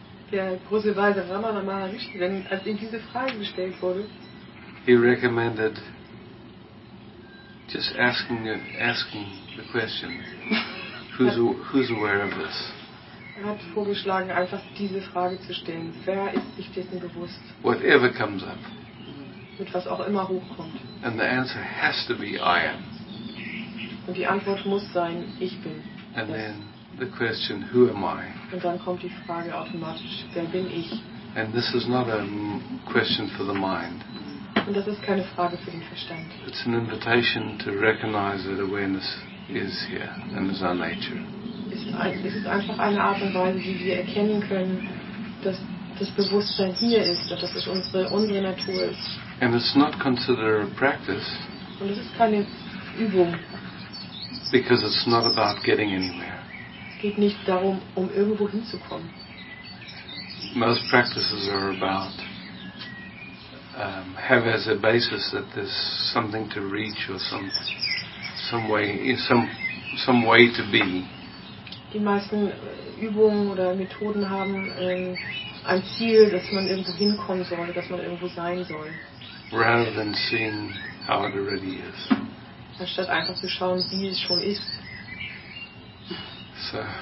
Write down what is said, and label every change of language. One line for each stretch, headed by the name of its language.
German: Der große Weise Ramana Maharishi, als ihm diese Frage gestellt wurde.
English: He recommended just asking the question. Who's aware of this?
German: Er hat vorgeschlagen, einfach diese Frage zu stellen. Wer ist sich dessen bewusst?
English: Whatever comes up.
German: Mit was auch immer hochkommt.
English: And the answer has to be I am.
German: Und die Antwort muss sein, ich bin.
English: And then the question, who am I?
German: Und dann kommt die Frage automatisch, wer bin ich?
English: And this is not a question for the mind.
German: Und das ist keine Frage für den Verstand.
English: It's an invitation to recognize that awareness is here and is our nature.
German: Es ist einfach eine Art und Weise, wie wir erkennen können, dass das Bewusstsein hier ist, dass es unsere Natur ist.
English: And it's not considered a practice.
German: Und es ist keine Übung.
English: Because it's not about getting anywhere.
German: Es geht nicht darum, um irgendwo hinzukommen.
English: Most practices are about have as a basis that there's something to reach or some way to be.
German: Die meisten Übungen oder Methoden haben ein Ziel, dass man irgendwo hinkommen soll, dass man irgendwo sein soll.
English: Rather than seeing how it already is.
German: Anstatt einfach zu schauen, wie es schon ist.
English: So.